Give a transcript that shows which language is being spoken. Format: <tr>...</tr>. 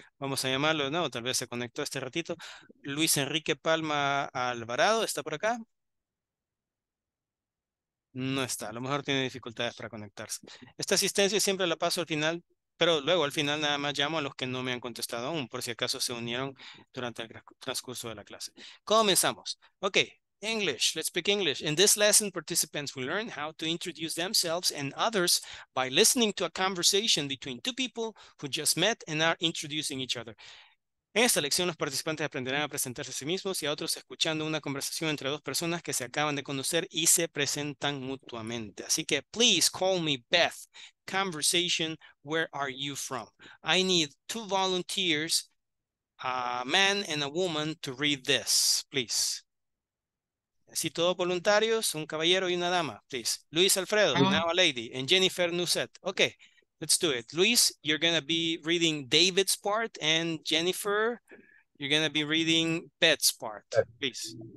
<es>Vamos a llamarlo de nuevo, tal vez se conectó este ratito. Luis Enrique Palma Alvarado, ¿está por acá? No está, a lo mejor tiene dificultades para conectarse. Esta asistencia siempre la paso al final, pero luego al final nada más llamo a los que no me han contestado aún, por si acaso se unieron durante el transcurso de la clase. Comenzamos.</es> <en>Ok. English, let's speak English. In this lesson, participants will learn how to introduce themselves and others by listening to a conversation between two people who just met and are introducing each other.</en> <es>En esta lección, los participantes aprenderán a presentarse a sí mismos y a otros escuchando una conversación entre dos personas que se acaban de conocer y se presentan mutuamente. Así que,</es> <en>please call me Beth. Conversation, where are you from? I need two volunteers, a man and a woman, to read this, please.</en> <es>Si todos voluntarios, un caballero y una dama,</es> <en>please.</en> <es>Luis Alfredo,</es> <en>now a lady,</en> <es>and Jennifer Nuset.</es> <en>Okay, let's do it. Luis, you're going to be reading David's part, and Jennifer, you're going to be reading Beth's part, please.</en>